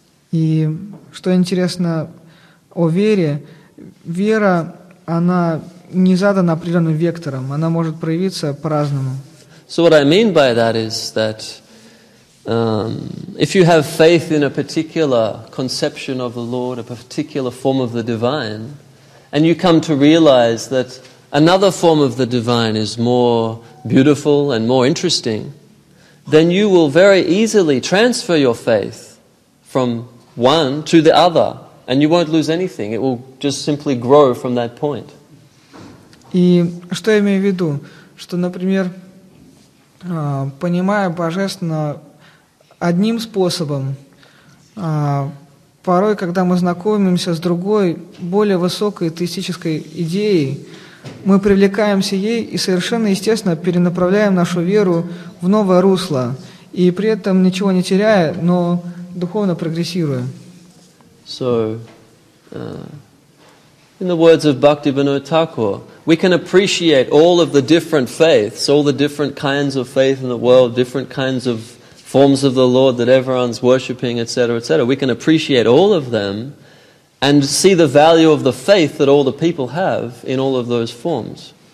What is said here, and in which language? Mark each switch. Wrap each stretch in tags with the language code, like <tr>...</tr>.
<ru>И что интересно о вере, вера, она не задана определенным вектором, она может проявиться по-разному.</ru> <en>So what I mean by that is that if you have faith in a particular conception of the Lord, a particular form of the divine, and you come to realize that another form of the divine is more beautiful and more interesting, then you will very easily transfer your faith from one to the other. And you won't lose anything. It will just simply grow from that point.</en> <ru>И что я имею в виду? Что, например, понимая божественное одним способом, порой, когда мы знакомимся с другой, более высокой теистической идеей, мы привлекаемся ей и совершенно естественно перенаправляем нашу веру в новое русло, и при этом ничего не теряя, но духовно прогрессируя.</ru> <en>So, in the words of Bhaktivinoda Thakur, we can appreciate all of the different faiths, all the different kinds of faith in the world, different kinds of forms of the Lord that everyone's worshipping, etc., etc. We can appreciate all of them and see the value of the faith that all the people have in all of those forms.</en>